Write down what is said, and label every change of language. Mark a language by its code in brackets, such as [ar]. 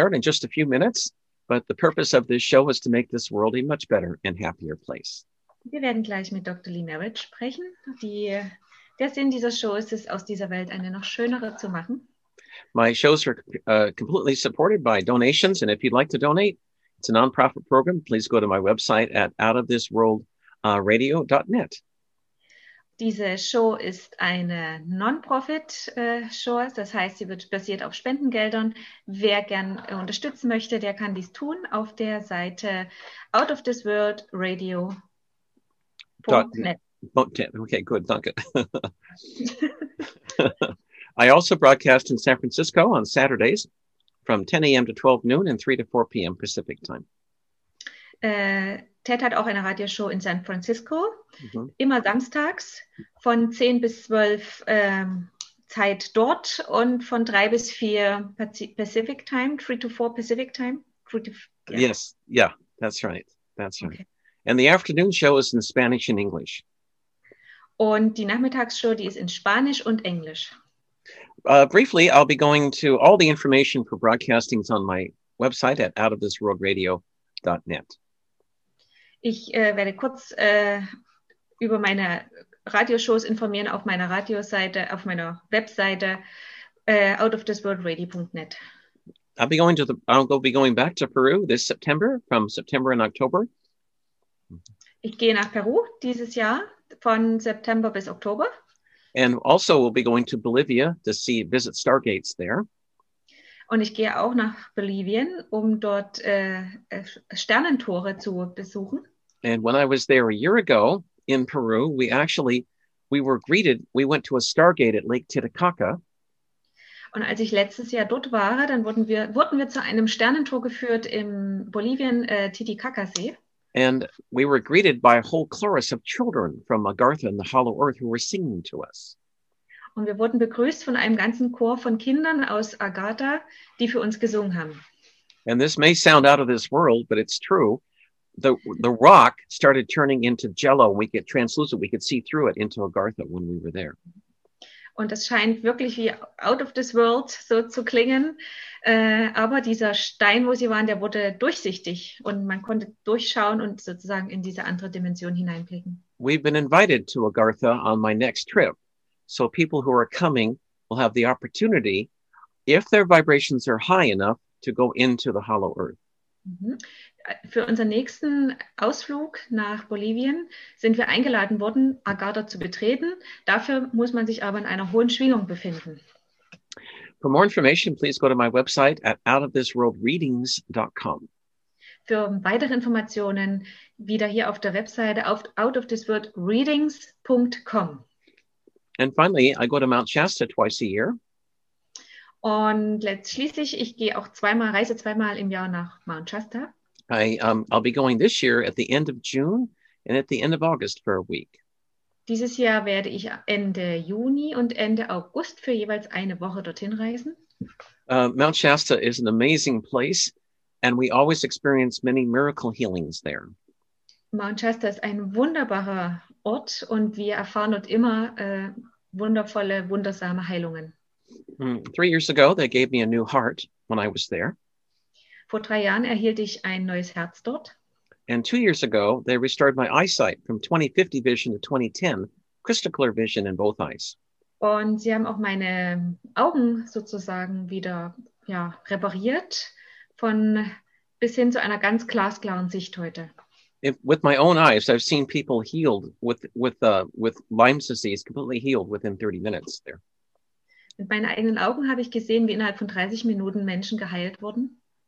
[en] Merritt in just a few minutes. But the purpose of this show is to make this world a much better and happier place. [de] Wir werden gleich mit Dr. Lee Merritt sprechen. Der Sinn dieser Show ist es, aus dieser Welt eine noch schönere zu machen. [en] My shows are completely supported by donations. And if you'd like to donate, it's a non-profit program. Please go to my website at outofthisworldradio.net. [de] Diese Show ist eine Non-Profit-Show, das heißt, sie wird basiert auf Spendengeldern. Wer gern unterstützen möchte, der kann dies tun auf der Seite outofthisworldradio.net. Okay, gut, danke. [en] I also broadcast in San Francisco on Saturdays from 10 a.m. to 12 noon and 3 to 4 p.m. Pacific time. [de] Ted hat auch eine Radioshow in San Francisco, immer samstags von 10 bis 12 Zeit dort und von 3 bis 4 Pacific Time, [en] 3 to 4 Pacific Time. Yes, yeah, that's right. That's right. Okay. And the afternoon show is in Spanish and English. [de] Und die Nachmittagsshow, die ist in Spanisch und Englisch. [en] Briefly, I'll be going to all the information for broadcasting on my website at outofthisworldradio.net. [de] Ich werde kurz über meine Radioshows informieren auf meiner Radioseite, auf meiner Webseite outofthisworldradio.net. [en] I'll be going back to Peru this September, from September and October. [de] Ich gehe nach Peru dieses Jahr von September bis Oktober. [en] And also we'll be going to Bolivia to see visit Stargates there. [de] Und ich gehe auch nach Bolivien, um dort Sternentore zu besuchen. [en] And when I was there a year ago in Peru, we went to a Stargate at Lake Titicaca. [de] Und als ich letztes Jahr dort war, dann wurden wir zu einem Sternentor geführt im Bolivien Titicacasee. [en] And we were greeted by a whole chorus of children from Agartha and the Hollow Earth who were singing to us. [de] Und wir wurden begrüßt von einem ganzen Chor von Kindern aus Agartha, die für uns gesungen haben. [en] And this may sound out of this world, but it's true. The rock started turning into jello. We get translucent. We could see through it into Agartha when we were there. [de] Und das scheint wirklich wie [en] out of this world [de] so zu klingen. Aber dieser Stein, wo sie waren, der wurde durchsichtig. Und man konnte durchschauen und sozusagen in diese andere Dimension hineinblicken. [en] We've been invited to Agartha on my next trip. So people who are coming will have the opportunity, if their vibrations are high enough, to go into the hollow earth. [de] Für unseren nächsten Ausflug nach Bolivien sind wir eingeladen worden, Agartha zu betreten. Dafür muss man sich aber in einer hohen Schwingung befinden. [en] For more information, please go to my website at outofthisworldreadings.com. [de] Für weitere Informationen wieder hier auf der Webseite auf outofthisworldreadings.com. [en] And finally, I go to Mount Shasta twice a year. [de] Und schließlich, ich gehe auch reise zweimal im Jahr nach Mount Shasta. [en] I'll be going this year at the end of June and at the end of August for a week. [de] Dieses Jahr werde ich Ende Juni und Ende August für jeweils eine Woche dorthin reisen. [en] Mount Shasta is an amazing place and we always experience many miracle healings there. [de] Mount Shasta ist ein wunderbarer Ort und wir erfahren dort immer wundervolle, wundersame Heilungen. [en] 3 years ago, they gave me a new heart when I was there. [de] Vor 3 Jahren erhielt ich ein neues Herz dort. [en] And 2 years ago, they restored my eyesight from 20/50 vision to 20/10, crystal clear vision in both eyes. [de] Und sie haben auch meine Augen sozusagen wieder repariert, von bis hin zu einer ganz glasklaren Sicht heute. [en] With my own eyes, I've seen people healed with Lyme disease, completely healed within 30 minutes there. [de] Mit meinen eigenen Augen habe ich gesehen, wie innerhalb von 30 Minuten Menschen geheilt wurden.